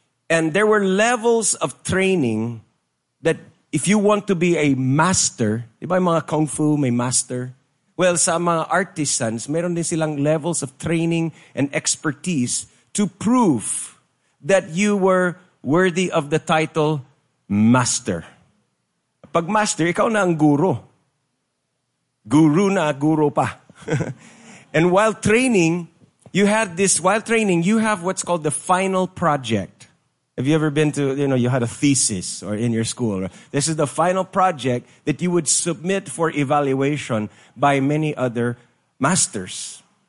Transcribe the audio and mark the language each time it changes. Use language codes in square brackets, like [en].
[en] And there were levels of training that if you want to be a master, [tl] di ba mga kung fu may master? [en] Well, [tl] sa mga [en] artisans, [tl] meron din silang [en] levels of training and expertise to prove that you were worthy of the title master. [tl] Pag master, ikaw na ang guro. Guru na, guro pa. [en] And while training, you have what's called the final project. Have you ever been to, you know, you had a thesis or in your school? This is the final project that you would submit for evaluation by many other masters.